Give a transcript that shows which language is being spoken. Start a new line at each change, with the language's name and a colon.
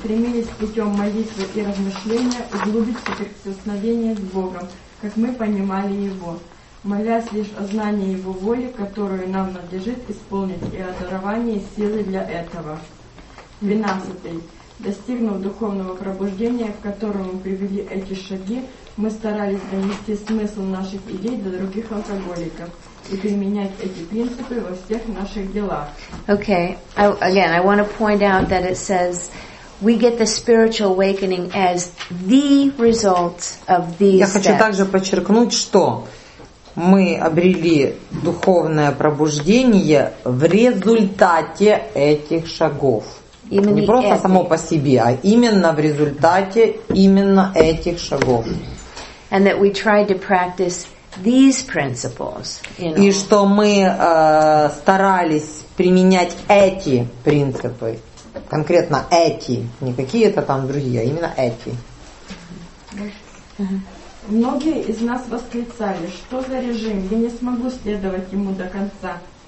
Russian: Стремились путем молитвы и размышления углубить соприкосновение с Богом, как мы понимали Его, молясь лишь о знании Его воли, которую нам надлежит исполнить, и о даровании силы для этого. 12. Достигнув духовного пробуждения, к которому привели эти шаги, мы старались донести смысл наших идей до других алкоголиков и применять эти принципы во всех наших делах.
English: Okay. Again, I want to point out that it says we get the spiritual awakening as the result of these steps.
Russian: Я хочу также подчеркнуть, что мы обрели духовное пробуждение в результате этих шагов. Именно не просто само по себе, а именно в результате именно этих шагов.
English: And that we tried to practice these principles, you know.
Russian: И что мы старались применять эти принципы, конкретно эти, не какие-то там другие, а именно эти. Многие из нас восклицали, что за режим, я не смогу следовать ему до конца.